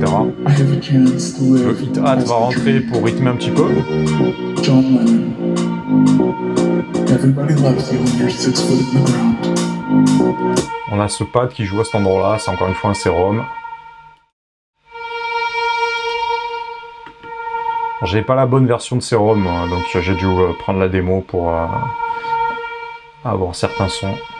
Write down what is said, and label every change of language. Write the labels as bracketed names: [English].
[French] Le hi-hat va rentrer pour rythmer un petit peu. [English] Everybody loves you when you're 6 foot in the ground. [French] On a ce pad qui joue à cet endroit-là, c'est encore une fois un sérum. J'ai pas la bonne version de sérum, donc j'ai dû prendre la démo pour avoir certains sons.